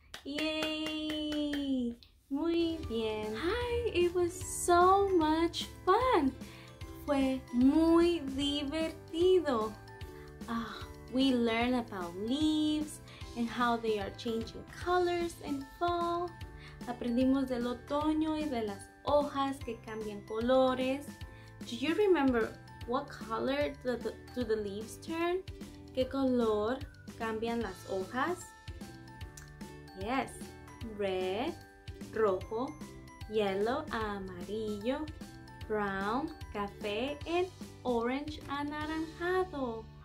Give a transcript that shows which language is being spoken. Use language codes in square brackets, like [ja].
[es] Yay! Muy bien. [en] Hi, it was so much fun. [es] Fue muy divertido. [en] We learned about leaves and how they are changing colors in fall. [es] Aprendimos del otoño y de las hojas que cambian colores. [en] Do you remember what color do the leaves turn? [es] ¿Qué color cambian las hojas? [en] Yes, red, [es] rojo, yellow, amarillo, brown, café, and orange, anaranjado.